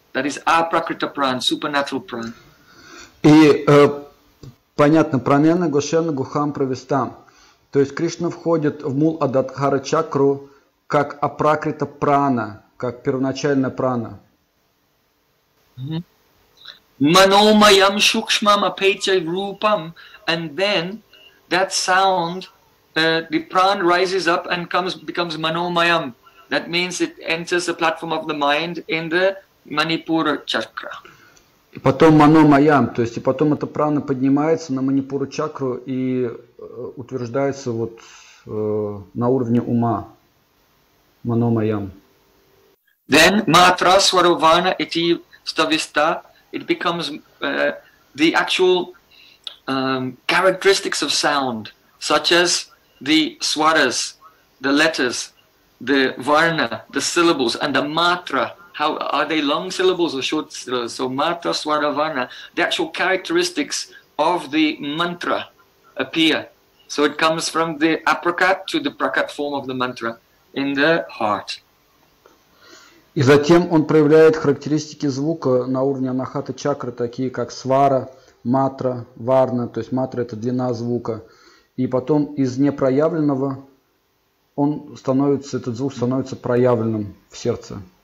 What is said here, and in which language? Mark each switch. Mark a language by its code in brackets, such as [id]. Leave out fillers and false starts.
[en] That is aprakrita pran, supernatural pran. [ru] И понятно, [sa] pranena goshena guham pravista. [ru] То есть Кришна входит в мул адхара чакру как апракрита прана, как первоначальная прана. [sa] Manomayam shukshmam apecha rupam, [en] and then that sound, the pran rises up and becomes manomayam. That means it enters the platform of the mind in the manipura chakra. [ru] И потом manomayam, то есть и потом эта прана поднимается на манипура чакру и утверждается вот на уровне ума. [sa] Manomayam. [en] Then [sa] matra swarovana iti stavista, [en] it becomes the actual characteristics of sound, such as the swaras, the letters, the varna, the syllables, and the matra. How are they, long syllables or short syllables? So matra, swara, varna, the actual characteristics of the mantra appear. So it comes from the aprakat to the prakat form of the mantra in the heart. [ru] И затем он проявляет характеристики звука на уровне анахаты чакры, такие как свара, матра, варна, то есть матра – это длина звука. И потом из непроявленного он становится, этот звук становится проявленным в сердце.